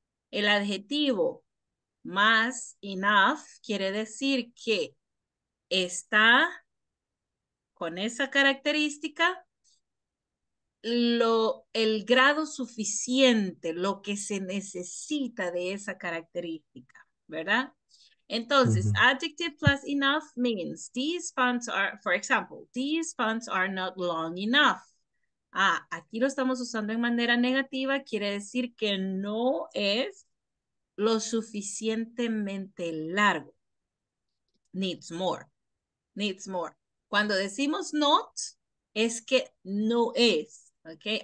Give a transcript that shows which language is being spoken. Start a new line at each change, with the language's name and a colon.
Spanish: El adjetivo más enough quiere decir que está con esa característica el grado suficiente, lo que se necesita de esa característica, ¿verdad? Entonces,
English: adjective plus enough means these pants are, for example, these pants are not long enough.
Spanish: Ah, aquí lo estamos usando en manera negativa, quiere decir que no es lo suficientemente largo.
English: Needs more.
Spanish: Cuando decimos not, es que no es, okay?